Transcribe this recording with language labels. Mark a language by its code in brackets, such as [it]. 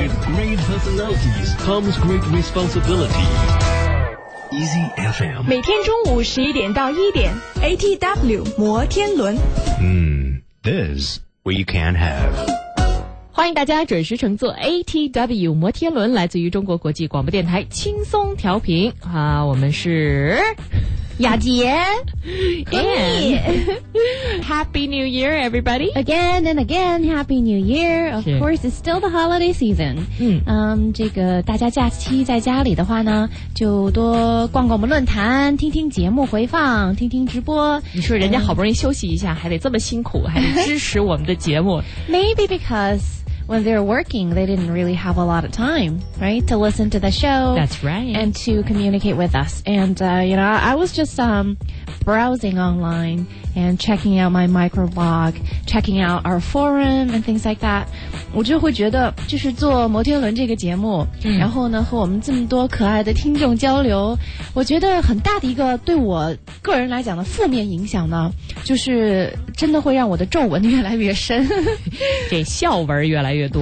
[en] with great personalities comes great responsibility easy FM [zh] 每天中午十一点到一点 ATW 摩天轮 [en] this we can have [zh] 欢迎大家准时乘坐 ATW 摩天轮，来自于中国国际广播电台轻松调频啊，我们是雅洁 [en] and Happy New Year, everybody! Again and again, Happy New Year! Of course, it's still the holiday season. [zh] 这个大家假期在家里的话呢，就多逛逛我们论坛，听听节目回放，听听直播。你说人家好不容易休息一下，还得这么辛苦，还得支持我们的节目。 [en] Maybe because... When they're working, they didn't really have a lot of time, right, to listen to the show. That's right. And to communicate with us. And, you know, I was just, browsing online and checking out my microblog, checking out our forum and things like that. [zh] 我就会觉得就是做摩天轮这个节目、然后呢和我们这么多可爱的听众交流，我觉得很大的一个对我个人来讲的负面影响呢，就是真的会让我的皱纹越来越深，这笑纹越来越多